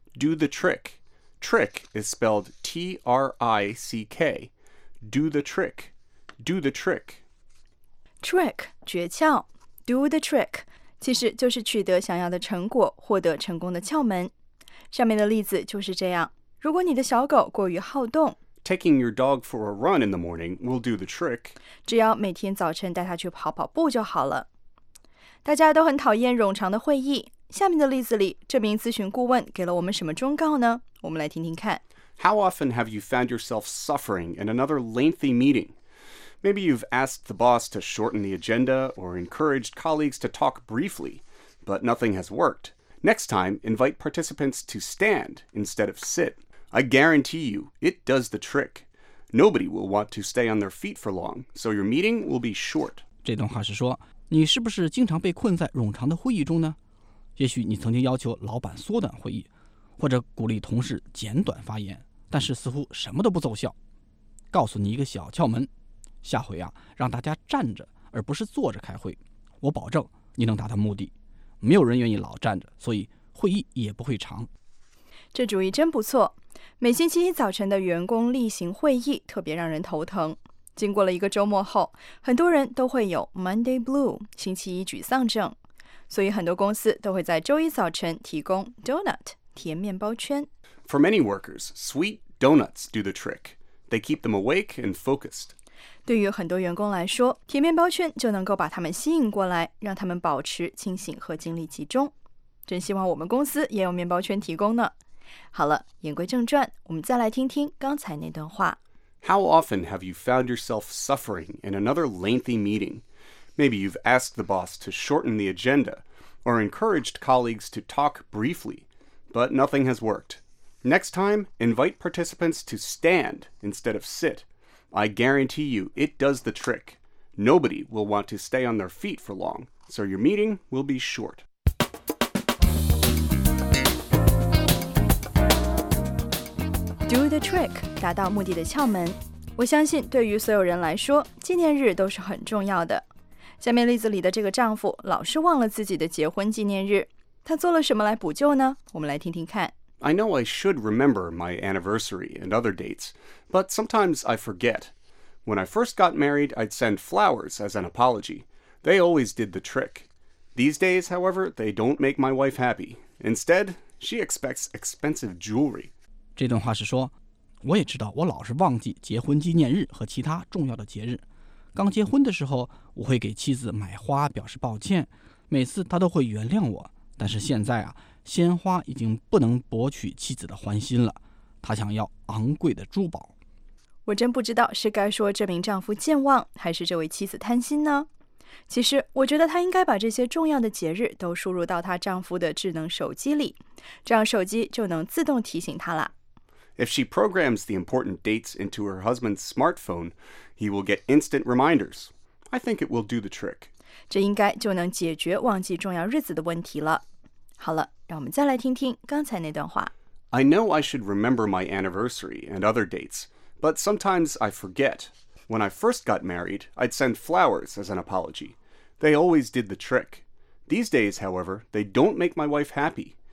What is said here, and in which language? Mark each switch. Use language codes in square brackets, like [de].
[en] Do the trick. Trick is spelled T-R-I-C-K. Do the trick. Do the trick. Trick, [zh] 诀窍 [en] Do the trick. [zh] 其实就是取得想要的成果，获得成功的窍门。上面的例子就是这样。如果你的小狗过于好动， [en] Taking your dog for a run in the morning will do the trick. [zh] 只要每天早晨带他去跑跑步就好了。大家都很讨厌冗长的会议。下面的例子里，这名咨询顾问给了我们什么忠告呢？我们来听听看。 [en] How often have you found yourself suffering in another lengthy meeting? Maybe you've asked the boss to shorten the agenda or encouraged colleagues to talk briefly, but nothing has worked. Next time, invite participants to stand instead of sit. I guarantee you, it does the trick. Nobody will want to stay on their feet for long, so your meeting will be short. [zh] 这段话是说，你是不是经常被困在冗长的会议中呢？也许你曾经要求老板缩短会议，或者鼓励同事简短发言，但是似乎什么都不奏效。告诉你一个小窍门，下回啊，让大家站着而不是坐着开会，我保证你能达到目的。没有人愿意老站着，所以会议也不会长。这主意真不错。每星期一早晨的员工例行会议特别让人头疼。经过了一个周末后，很多人都会有 [en] Monday Blue, [zh] 星期一沮丧症。所以很多公司都会在周一早晨提供 Donut, 甜面包圈。 [en] For many workers, sweet donuts do the trick. They keep them awake and focused. [zh] 对于很多员工来说，甜面包圈就能够把他们吸引过来，让他们保持清醒和精力集中。真希望我们公司也有面包圈提供呢。好了，言归正传，我们再来听听刚才那段话。 [en] How often have you found yourself suffering in another lengthy meeting? Maybe you've asked the boss to shorten the agenda or encouraged colleagues to talk briefly, but nothing has worked. Next time, invite participants to stand instead of sit. I guarantee you, it does the trick. Nobody will want to stay on their feet for long, so your meeting will be short. Do the trick, [zh] 达到目的的窍门。我相信对于所有人来说，纪念日都是很重要的。下面例子里的这个丈夫老是忘了自己的结婚纪念日，他做了什么来补救呢？我们来听听看。 I know I should remember my anniversary and other dates, but sometimes I forget. When I first got married, I'd send flowers as an apology. They always did the trick. These days, however, they don't make my wife happy. Instead, she expects expensive jewelry. 这段话是说，我也知道我老是忘记结婚纪念日和其他重要的节日。刚结婚的时候，我会给妻子买花表示抱歉，每次她都会原谅我。但是现在啊，鲜花已经不能博取妻子的欢心了，她想要昂贵的珠宝。我真不知道是该说这名丈夫健忘，还是这位妻子贪心呢？其实我觉得她应该把这些重要的节日都输入到她丈夫的智能手机里，这样手机就能自动提醒她了。 [en] If she programs the important dates into her husband's smartphone, he will get instant reminders. I think it will do the trick. [zh] 这应该就能解决忘记重要日子的问题了。好了，让我们再来听听刚才那段话。 [en] I know I should remember my anniversary and other dates, but sometimes I forget. When I first got married, I'd send flowers as an apology. They always did the trick. These days, however, they don't make my wife happy.